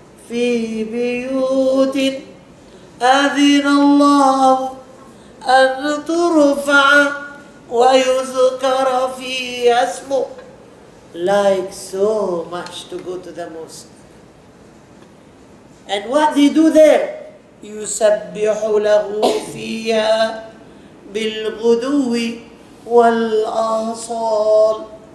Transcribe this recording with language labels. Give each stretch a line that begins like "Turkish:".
Arabic: في بيوت أذن الله أن ترفع ويذكر في اسمه.
English: Like so much to go to the mosque. And what they do there?
Arabic: يسبح له فيها بالغدو والآصال.